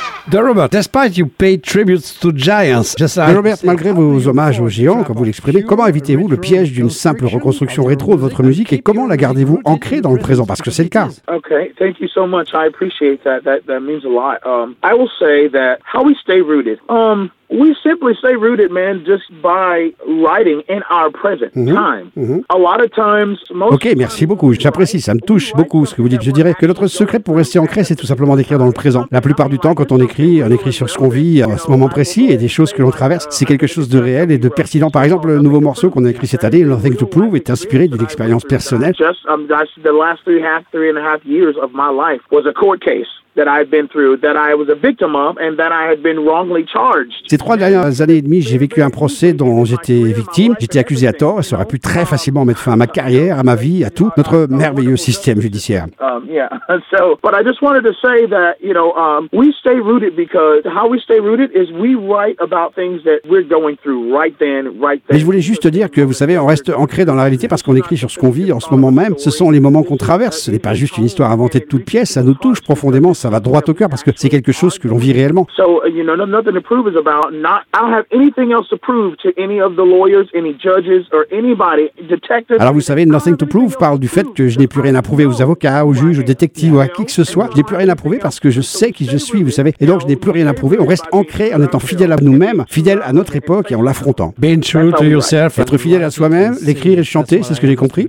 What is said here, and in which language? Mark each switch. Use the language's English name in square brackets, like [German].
[English] De Robert, despite you pay tributes to giants, just like... [French] De Robert, malgré vos hommages aux géants, comme vous l'exprimez, comment évitez-vous le piège d'une simple reconstruction rétro de votre musique et comment la gardez-vous ancrée dans le présent? Parce que c'est le cas. [English] Okay, thank you so much. I appreciate that. That means a lot. I will say that how we stay rooted. We simply stay rooted, man, just by writing in our present time. A lot of times, most. [French] Okay, merci beaucoup. J'apprécie. Ça me touche beaucoup ce que vous dites. Je dirais que notre secret pour rester ancré, c'est tout simplement d'écrire dans le présent. La plupart du temps, quand on écrit sur ce qu'on vit à ce moment précis et des choses que l'on traverse. C'est quelque chose de réel et de pertinent. Par exemple, le nouveau morceau qu'on a écrit cette année, Nothing to Prove, est inspiré d'une expérience personnelle. [English] Just the last three and a half years of my life was a court case that I've been through, that I was a victim of, and that I had been wrongly charged. [French] Ces trois dernières années et demie, j'ai vécu un procès dont j'étais victime. J'étais accusé à tort. Ça aurait pu très facilement mettre fin à ma carrière, à ma vie, à tout notre merveilleux système judiciaire. [English] So, but I just wanted to say that, you know, we stay rooted because how we stay rooted is we write about things that we're going through right then, right there. [French] Mais je voulais juste dire que, vous savez, on reste ancré dans la réalité parce qu'on écrit sur ce qu'on vit en ce moment même. Ce sont les moments qu'on traverse. Ce n'est pas juste une histoire inventée de toutes pièces. Ça nous touche profondément. Ça va droit au cœur parce que c'est quelque chose que l'on vit réellement. [English] So, you know, nothing to prove is about. Not, I don't have anything else to prove to any of the lawyers, any judges, or anybody, detectives. [French] Alors vous savez, nothing to prove parle du fait que je n'ai plus rien à prouver aux avocats, aux juges, aux détectives ou à qui que ce soit. Je n'ai plus rien à prouver parce que je sais qui je suis, vous savez. Et donc je n'ai plus rien à prouver. On reste ancré en étant fidèle à nous-mêmes, fidèle à notre époque et en l'affrontant. [English] Being true to yourself. [French] Être fidèle à soi-même, l'écrire et chanter, c'est ce que j'ai compris.